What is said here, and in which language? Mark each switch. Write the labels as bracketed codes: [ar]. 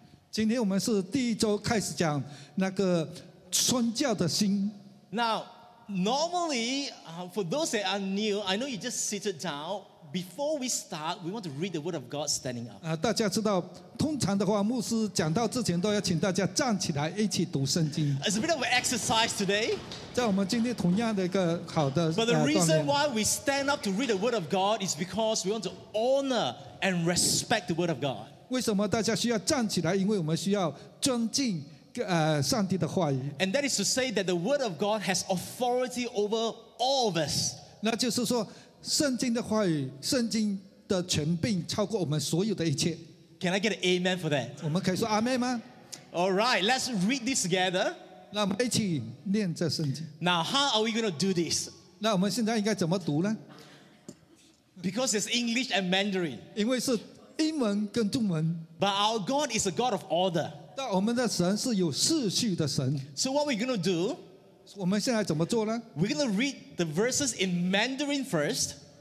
[zh] 今天我们是第一周开始讲那个宣教的心。 [en] Now, normally, for those that are new, I know you just seated down. Before we start, we want to read the Word of God standing up. [zh] 大家知道，通常的话，牧师讲到之前都要请大家站起来一起读圣经。 [en] It's a bit of an exercise today. [zh] 在我们今天同样的一个好的。 [en] But the reason why we stand up to read the Word of God is because we want to honor and respect the Word of God. [zh] 为什么大家需要站起来？因为我们需要尊敬。上帝的话语。 [en] And that is to say that the word of God has authority over all of us. [zh] 那就是说圣经的话语，圣经的权柄超过我们所有的一切。 [en] Can I get an amen for that? [zh] 我们可以说阿们吗？ [en] All right, let's read this together. [zh] 那我们一起念这圣经。 [en] Now how are we going to do this? [zh] 那我们现在应该怎么读呢？ [en] Because it's English and Mandarin. [zh] 因为是英文跟中文。 [en] But our God is a God of order. [zh] 但我们的神是有秩序的神。 [en] So what we're going to do? [zh] 我们现在怎么做呢？ [en] We're going to read the verses in Mandarin first.